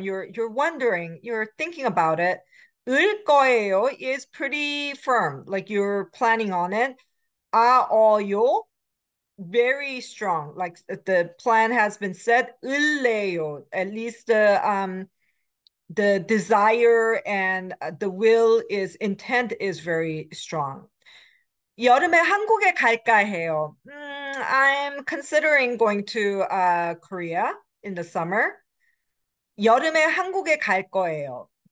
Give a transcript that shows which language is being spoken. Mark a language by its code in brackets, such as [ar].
[en] You're wondering. You're thinking about it. [ko] 을 거예요 [en] is pretty firm, like you're planning on it. 아어요, very strong, like the plan has been said. 을래요, at least the desire and the will is intent is very strong. [ko] 여름에 한국에 갈까 해요. [en] I'm considering going to Korea in the summer. [ko] 여름에 한국에 갈 거예요.